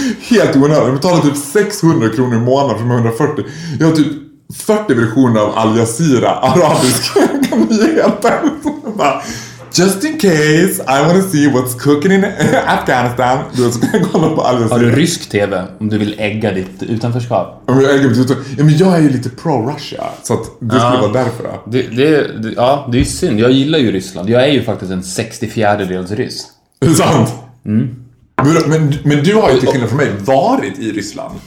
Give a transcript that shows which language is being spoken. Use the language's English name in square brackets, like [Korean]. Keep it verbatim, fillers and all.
[Swedish] Helt onödigt. Jag betalar typ sexhundra kronor i månaden för hundrafyrtio. Jag har typ fyrtio versioner av Al Jazeera arabiska nyheter. [English] Just in case I want to see what's cooking in Afghanistan. [Swedish] Du ska kolla på Al Jazeera. Har du rysk tv om du vill ägga ditt utanförskap? Om jag äggar mitt utanförskap? Ja, men jag är ju lite pro-Russia, så att det skulle ja, vara därför då. Det, det, det, ja, det är ju synd. Jag gillar ju Ryssland. Jag är ju faktiskt en sextiofjärdedels ryss. Är det sant? Mm. Men, men, men du har ju till skillnad från mig varit i Ryssland.